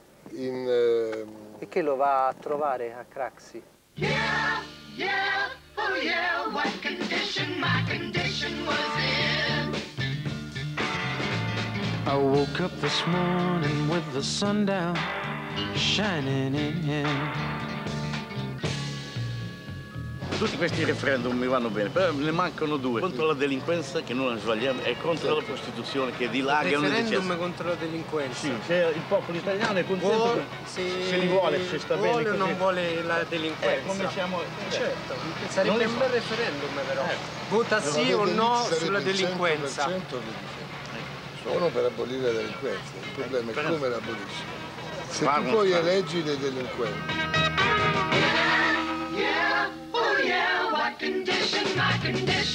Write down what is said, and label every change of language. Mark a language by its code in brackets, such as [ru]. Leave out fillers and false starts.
[it] E che lo va a trovare a Craxi? [en] Yeah, yeah, oh yeah, what condition my condition was in. I woke up this morning with the sun down shining in him. [it] Tutti questi referendum mi vanno bene, però ne mancano due. Contro la delinquenza, che non la sbagliamo, e contro la prostituzione, che dilaga. Il referendum contro la delinquenza. Sì, se il popolo italiano è contento, se li vuole, se sta vuole bene. Vuole o non vuole la delinquenza? Come siamo... Certo, sarebbe un bel referendum, però. Vota sì o no sulla delinquenza. Sono per abolire la delinquenza, il problema è come la abolisci. se tu poi eleggi dei delinquenti. [en] Yeah, yeah, oh yeah, my condition was in.